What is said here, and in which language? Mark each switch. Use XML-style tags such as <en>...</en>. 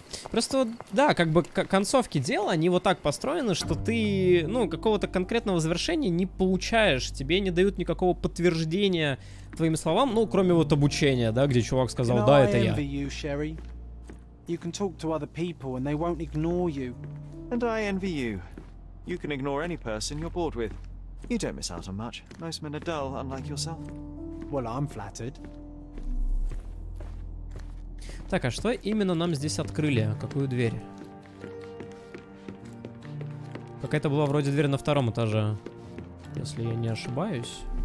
<ru>Просто, да, как бы концовки дел, они вот так построены, что ты, ну, какого-то конкретного завершения не получаешь. Тебе не дают никакого подтверждения твоим словам, ну, кроме вот обучения, да, где чувак сказал, да, это я.</ru> <en>You, Sherry? You can talk to other people, and they won't ignore you. And I envy you. You can ignore any person you're bored with. You don't miss out on much. Most men are dull, unlike yourself. Well, I'm flattered.</en> <ru>Так, а что именно нам здесь открыли? Какую дверь? Какая-то была вроде дверь на втором этаже, если я не ошибаюсь.</ru>